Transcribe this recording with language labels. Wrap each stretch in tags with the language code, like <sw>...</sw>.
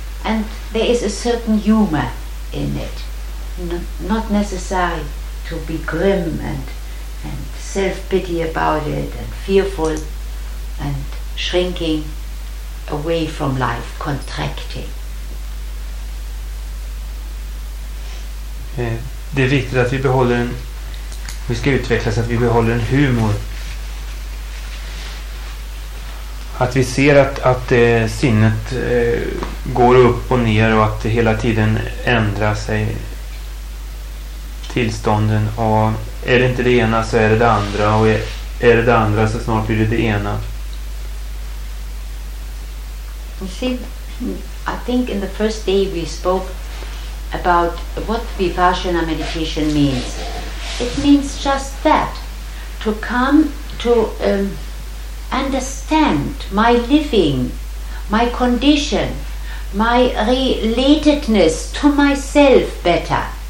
<en>And there is a certain humor in it. Not necessary to be grim and self-pity about it and fearful and shrinking away from life, contracting.</en> <sv>Det är viktigt att vi behåller en, vi ska utvecklas att vi behåller en humor. Att vi ser att sinnet går upp och ner och att det hela tiden ändrar sig tillstånden. Och är det inte det ena så är det det andra, och är det det andra så snart blir det det ena.</sv> <en>You see, I think in the first day we spoke about what Vipassana meditation means. It means just that, to come to understand my living, my condition, my relatedness to myself better.</en>